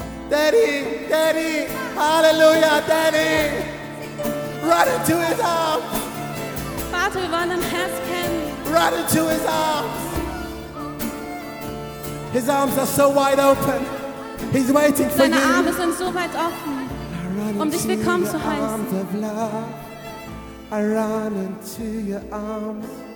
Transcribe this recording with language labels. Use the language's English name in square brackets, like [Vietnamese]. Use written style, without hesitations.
[English] Daddy, Daddy, Hallelujah, Daddy, run into his arms. [German] Vater, wir wollen dein Herz kennen. [English] Run into his arms. His arms are so wide open. He's waiting for you. [German] Seine Arme sind so weit offen, um dich willkommen zu heißen. [English] I run into your arms of love.